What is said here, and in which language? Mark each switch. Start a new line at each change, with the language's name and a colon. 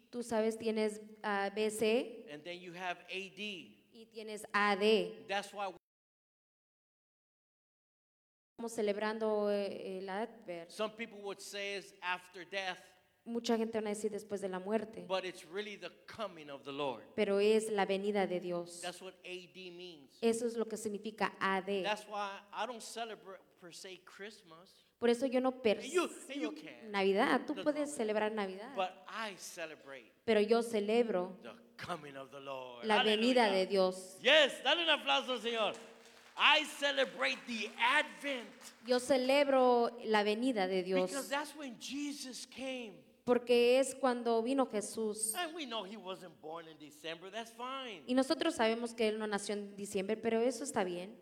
Spanish: Tú sabes, tienes BC.
English: And then you have AD.
Spanish: Y tienes AD.
English: That's why
Spanish: celebrando el advent.
English: Some people would say it's after death.
Spanish: Mucha gente va a decir después de la muerte.
English: But it's really the coming of the Lord.
Spanish: Pero es la venida de Dios.
English: That's what AD means.
Spanish: Eso es lo que significa AD.
English: That's why I don't celebrate per se Christmas.
Spanish: Por eso yo no percibo Navidad. Tú puedes celebrar Navidad.
English: But I celebrate.
Spanish: Pero yo celebro
English: the coming of the Lord.
Spanish: La venida de Dios.
English: Yes,
Spanish: dale un aplauso, Señor.
English: I celebrate the advent.
Spanish: Yo celebro la venida de Dios.
English: Because that's when Jesus came.
Spanish: Porque es cuando vino Jesús.
English: And we know he wasn't born in December. That's fine.
Spanish: Y nosotros sabemos que él no nació en diciembre, pero eso está bien.